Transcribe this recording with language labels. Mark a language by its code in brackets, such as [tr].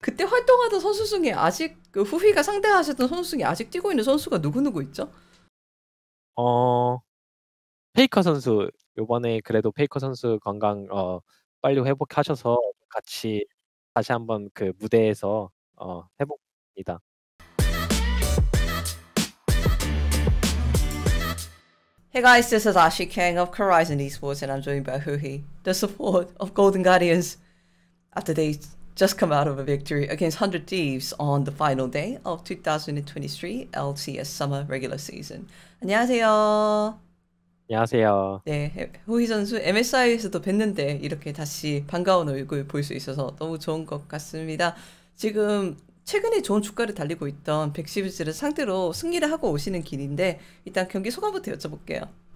[ko] 그때 활동하던 선수 중에 아직 그 후휘가 상대하셨던 선수 중에 아직 뛰고 있는 선수가 누구누구 있죠? 페이커 선수 요번에 그래도 페이커 선수 건강 빨리 회복하셔서 같이 다시 한번 그 무대에서 해봅니다. [en] Hey guys, this is Ashi King of Horizon Esports, and I'm joined by Huhi, the support of Golden Guardians, after they just come out of a victory against 100 Thieves on the final day of 2023 LCS Summer Regular Season. [ko] 안녕하세요. 안녕하세요. 네, 후희 선수 MSI에서도 뵀는데 이렇게 다시 반가운 얼굴 볼수 있어서 너무 좋은 것 같습니다. 지금 최근에 좋은 주가를 달리고 있던 백시브즈를 상대로 승리를 하고 오시는 길인데 일단 경기 소감부터 여쭤볼게요.